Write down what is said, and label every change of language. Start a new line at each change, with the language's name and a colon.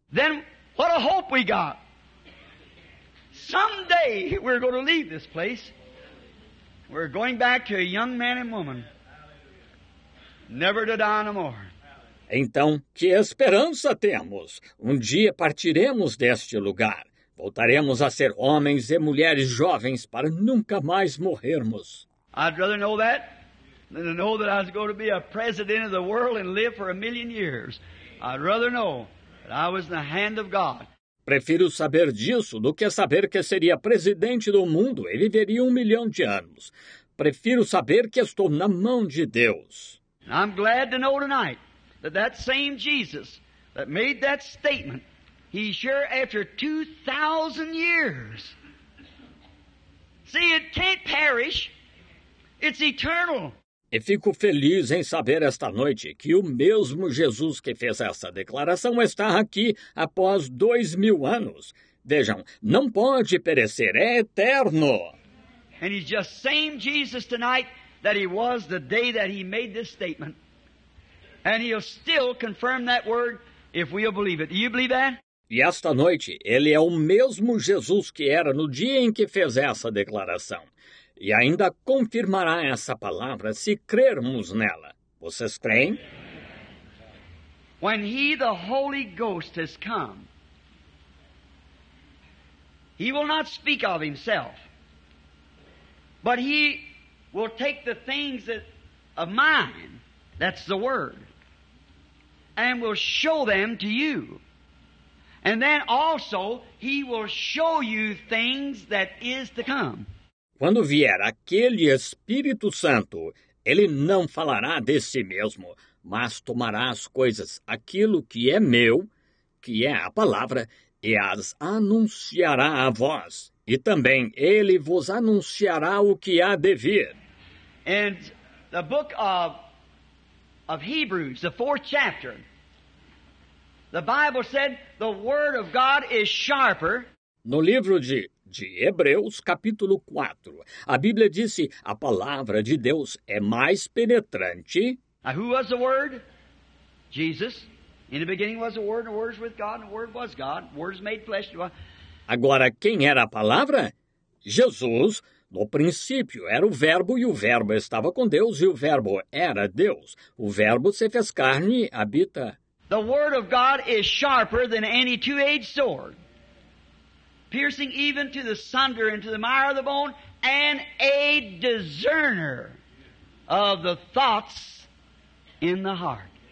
English: Then what a hope we got. Someday we're going to leave this place. We're going back to a young man and woman. Never to die no more.
Portuguese: Então, que esperança temos? Um dia partiremos deste lugar. Voltaremos a ser homens e mulheres jovens para nunca mais morrermos.
English: I'd rather know that than to know that I was going to be a president of the world and live for a million years. I'd rather know that I was in the hand of God.
Portuguese: Prefiro saber disso do que saber que seria presidente do mundo e viveria 1 milhão de anos. Prefiro saber que estou na mão de Deus.
English: I'm glad to know tonight that that same Jesus that made that statement, he sure after 2,000 years. See, it can't perish. It's eternal.
Portuguese: E fico feliz em saber esta noite que o mesmo Jesus que fez essa declaração está aqui após 2,000 anos. Vejam, não pode perecer, é eterno.
English: And he's just the same Jesus tonight that he was the day that he made this statement. And he'll still confirm that word if we'll believe it. Do you believe that?
Portuguese: E esta noite, ele é o mesmo Jesus que era no dia em que fez essa declaração. E ainda confirmará essa palavra se crermos nela. Vocês creem?
English: When he, the Holy Ghost, has come, he will not speak of himself, but he will take the things that, of mine, that's the Word, and will show them to you. And then also, he will show you things that is to come.
Portuguese: Quando vier aquele Espírito Santo, ele não falará de si mesmo, mas tomará as coisas, aquilo que é meu, que é a palavra, e as anunciará a vós. E também ele vos anunciará o que há de vir.
English: And the book of Hebrews, the 4th chapter, the Bible said the word of God is sharper.
Portuguese: No livro de Hebreus, capítulo 4, a Bíblia disse, a palavra de Deus é mais penetrante.
English: Now, who was the Word? Jesus. In the beginning was the Word was with God, and the Word was God. The Word is made flesh.
Portuguese: Agora, quem era a palavra? Jesus. No princípio era o Verbo, e o Verbo estava com Deus, e o Verbo era Deus. O Verbo se fez carne, habita.
English: The Word of God is sharper than any two-edged sword. Piercing even to the sunder and to the mire of the bone, and a discerner of the thoughts in the heart.